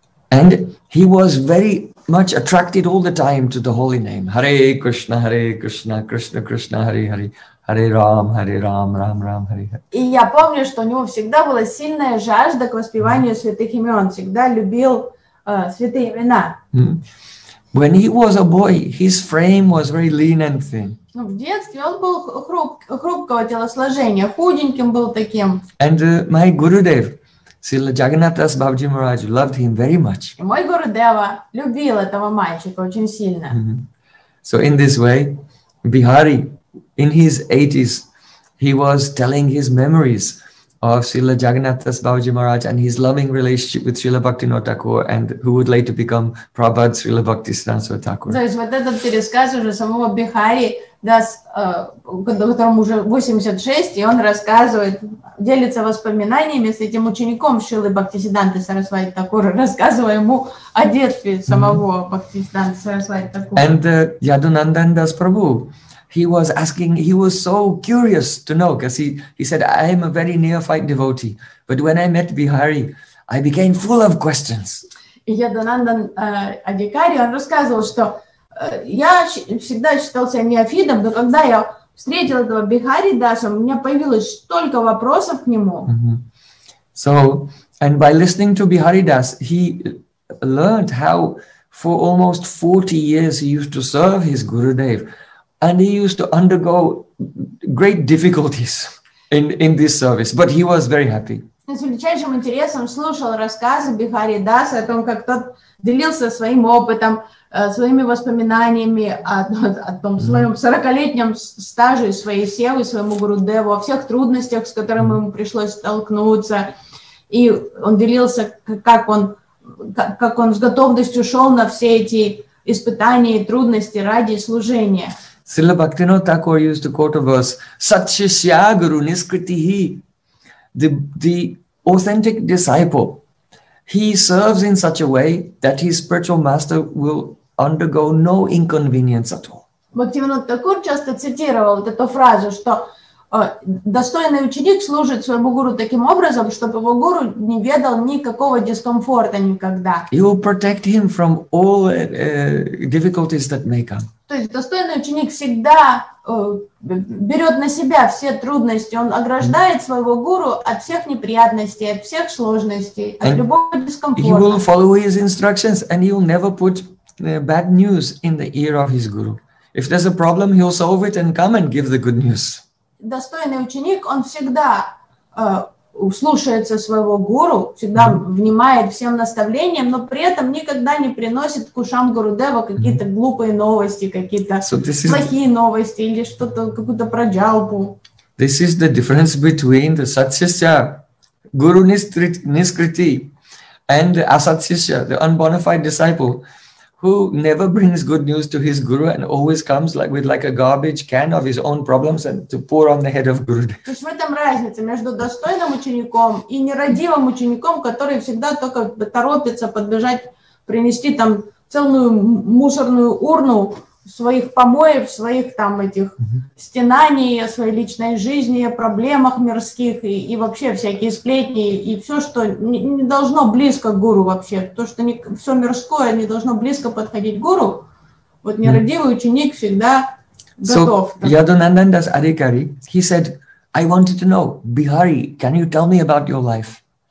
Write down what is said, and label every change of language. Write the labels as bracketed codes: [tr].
[en] And he was very much attracted all the time to the holy name. [sa] Hare Krishna, Krishna Krishna, Hare Hare, Hare Ram, Ram Ram, Hare Hare. [ru] И я помню, что у него всегда была сильная жажда к воспеванию святых имен, всегда любил святые имена. [en] When he was a boy, his frame was very lean and thin. [ru] Ну, в детстве он был хрупкого телосложения, худеньким был таким. [en] And my Gurudev, Srila Jagannatha's Babaji Maharaj loved him very much. [ru] И мой Гурудева любил этого мальчика очень сильно. Mm-hmm. [en] So in this way, Bihari, in his 80s, he was telling his memories of Srila Jagannatha's Babaji Maharaj and his loving relationship with Srila Bhaktivinoda Thakur and who would later become Prabhupada Srila Bhaktisiddhanta Saraswati Thakur. [ru] То есть вот этот пересказ уже самого Бихари Дас, которому уже 86, и он рассказывает, делится воспоминаниями с этим учеником Шрилы Бхактисиддханты Сарасвати Такур, рассказывая ему о детстве самого Бхактисиддханты Сарасвати Такур. [en] And Yadunandan Das Prabhu, he was asking, he was so curious to know, because he said, I am a very neophyte devotee, but when I met Bihari, I became full of questions. [ru] И Yadunandan Adhikari, он рассказывал, что я всегда считал себя неофитом, но когда я встретил этого Бихари Даса, у меня появилось столько вопросов к нему. [en] So, and by listening to Bihari Das, he learned how for almost 40 years he used to serve his Gurudev, and he used to undergo great difficulties in this service, but he was very happy. [ru] С величайшим интересом слушал рассказы Бихари Даса о том, как тот делился своим опытом, своими воспоминаниями о том своем 40-летнем стаже своей севы, своему Гурудеву, о всех трудностях, с которыми ему пришлось столкнуться. И он делился, как он с готовностью шел на все эти испытания и трудности ради служения. [en] Srila Bhaktivinoda Thakur used to quote a verse, Satshishya Guru Niskritihi, the authentic disciple, he serves in such a way that his spiritual master will undergo no inconvenience at all. [ru] Бхактивинода Такур часто цитировал вот эту фразу, что достойный ученик служит своему гуру таким образом, чтобы его гуру не ведал никакого дискомфорта никогда. [en] He will protect him from all difficulties that may come. [ru] То есть достойный ученик всегда берет на себя все трудности, он ограждает своего гуру от всех неприятностей, от всех сложностей, от любого дискомфорта. [en] He will follow his instructions and he will never put bad news in the ear of his guru. If there's a problem, he'll solve it and come and give the good news. [ru] Достойный ученик, он всегда слушается своего гуру, всегда внимает всем наставлениям, но при этом никогда не приносит к ушам Гурудева какие-то глупые новости, какие-то плохие новости или что-то, какую-то проджалпу. [en] This is the difference between the satsasya Guru Niskriti and Asat Sishya, the unbona fide disciple who never brings good news to his guru and always comes like with like a garbage can of his own problems and to pour on the head of Guru. [ru] То есть в этом разница между достойным учеником и нерадивым учеником, который всегда только торопится подбежать, принести там целую мусорную урну своих помоев, своих там этих стенаний о своей личной жизни, о проблемах мирских и вообще всякие сплетни, и все, что не должно близко к гуру вообще, то, что не, все мирское не должно близко подходить к гуру, вот нерадивый ученик всегда готов. [en] So, Yadunandanda's Adhikari, he said, I wanted to know, Bihari, can you tell me about your life?